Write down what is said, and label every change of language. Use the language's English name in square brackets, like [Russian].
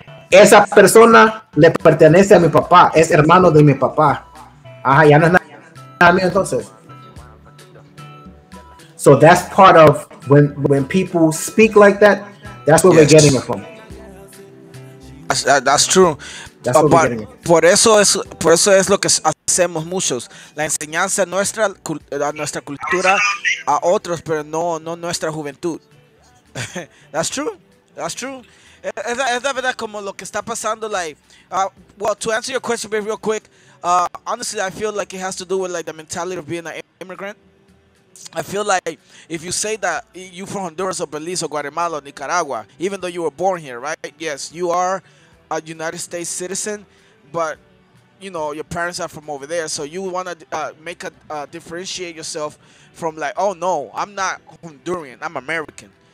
[Spanish] Esa persona le pertenece a mi papá. Es hermano de mi papá. Ajá, ya no es nada. Entonces. [English] So that's part of when people speak like that, that's where we're getting it from. That's true. [Spanish] Por eso es lo que hacemos muchos. La enseñanza nuestra a nuestra cultura a otros, pero no nuestra juventud. [English] That's true. That's true. [Spanish] Es la verdad como lo que está pasando. [English] Well, to answer your question very real quick, honestly, I feel like it has to do with like the mentality of being an immigrant. I feel like if you say that you from Honduras or Belize or Guatemala or Nicaragua, even though you were born here, right? Yes, you are a United States citizen, but you know your parents are from over there, so you want to differentiate yourself from like, oh no, I'm not Honduran, I'm American.